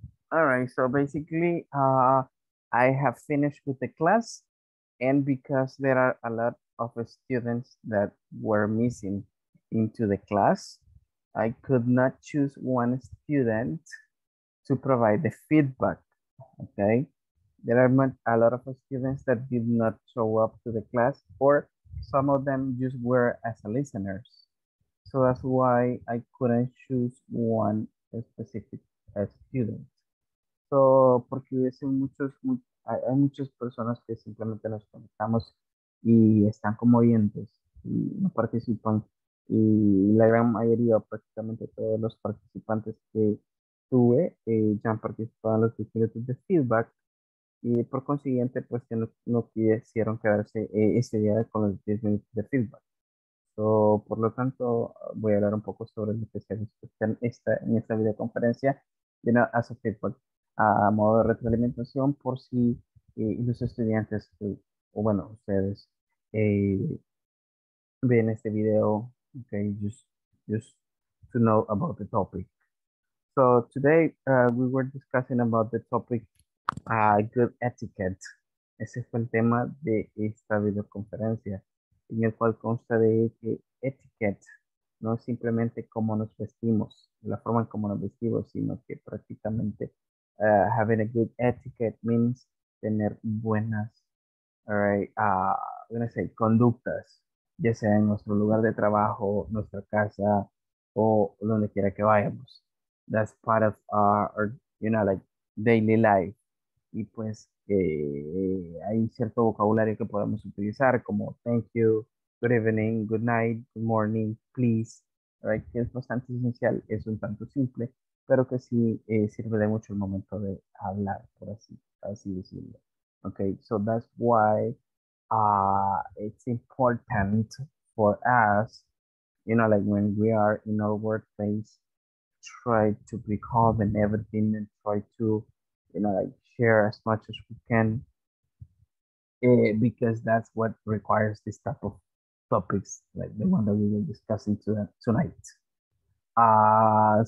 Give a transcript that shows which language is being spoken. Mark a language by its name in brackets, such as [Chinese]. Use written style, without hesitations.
[English] All right, so basically I have finished with the class, and because there are a lot of students that were missing into the class, I could not choose one student to provide the feedback, okay? There are a lot of students that did not show up to the class, or some of them just were as listeners. So that's why I couldn't choose one specific student. [Spanish] So, porque hay muchas personas que simplemente nos conectamos y están como oyentes y no participan. Y la gran mayoría, prácticamente todos los participantes que tuve, ya han participado en los distintos de feedback. Y por consiguiente, pues que no quisieron quedarse ese día con los 10 minutos de feedback. So, por lo tanto, voy a hablar un poco sobre lo que se discute en esta videoconferencia, [English] you know, as a feedback, [Spanish] a modo de retroalimentación, por si los estudiantes, o bueno, ustedes ven este video, okay, [English] just to know about the topic. So today, we were discussing about the topic good etiquette. [Spanish] Ese fue el tema de esta videoconferencia, en el cual consta de que etiquette no es simplemente cómo nos vestimos, la forma en cómo nos vestimos, sino que prácticamente [English] having a good etiquette means [Spanish] tener buenas, all right, conductas, ya sea en nuestro lugar de trabajo, nuestra casa, o donde quiera que vayamos. [English] That's part of our, you know, like daily life. [Spanish] Y pues hay cierto vocabulario que podemos utilizar como [English] thank you, good evening, good night, good morning, please, [Spanish] right? Que es bastante esencial, es un tanto simple, pero que sí sirve de mucho el momento de hablar, por así decirlo. [English] Okay, so that's why it's important for us, you know, like when we are in our workplace, try to be calm and everything, and try to, you know, like share as much as we can, because that's what requires this type of topics, like the one that we will discuss tonight.